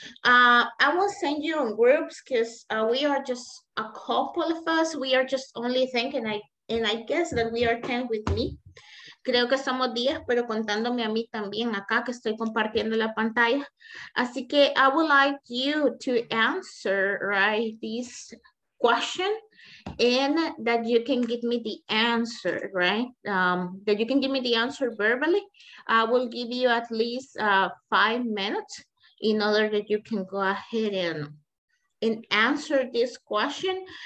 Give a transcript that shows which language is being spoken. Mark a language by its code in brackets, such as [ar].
[en] I will send you in groups because we are just a couple of us. We are just only thinking, and I guess that we are 10 with me. [es] Creo que somos 10, pero contándome a mí también acá que estoy compartiendo la pantalla. Así que [en] I would like you to answer, right, this question, and that you can give me the answer, right? That you can give me the answer verbally. I will give you at least 5 minutes in order that you can go ahead and answer this question.